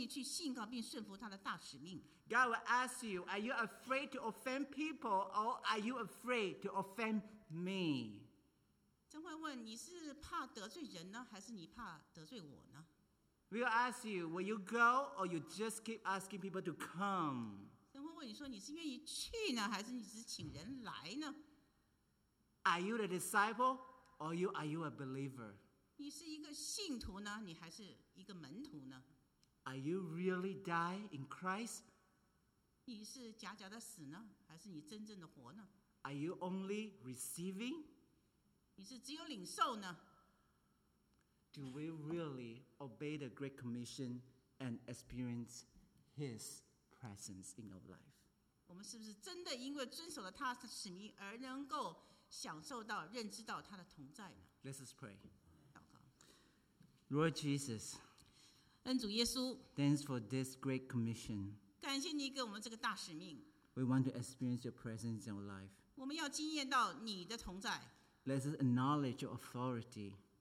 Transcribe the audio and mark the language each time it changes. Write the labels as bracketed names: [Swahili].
[Chinese] 神不会问你说你教会的人数有多少啊，或者你在教会已经有多久了，他会问你说你有多愿意，多么愿意去信靠并顺服他的大使命。 [English] God will ask you, are you afraid to offend people or are you afraid to offend me? [Chinese] 神会问你是怕得罪人呢，还是你怕得罪我呢？ [English] We will ask you, will you go or you just keep asking people to come? [Chinese] 神会问你说你是愿意去呢，还是你只请人来呢？ [English] Are you a disciple or are you a believer? [Chinese] 你是一个信徒呢，你还是一个门徒呢？ [English] Are you really die in Christ? [Chinese] 你是假假的死呢，还是你真正的活呢？ [English] Are you only receiving? [Chinese] 你是只有领受呢？ [English] Do we really obey the Great Commission and experience His presence in our life? [Chinese] 我们是不是真的因为遵守了他的使命而能够享受到认知到他的同在呢？ [English] Let us pray. Lord Jesus, [Chinese] 恩主耶稣， [English] thanks for this great commission. [Chinese] 感谢你给我们这个大使命。 [English] We want to experience your presence in our life. [Chinese] 我们要经验到你的同在。 [English] Let us acknowledge your authority.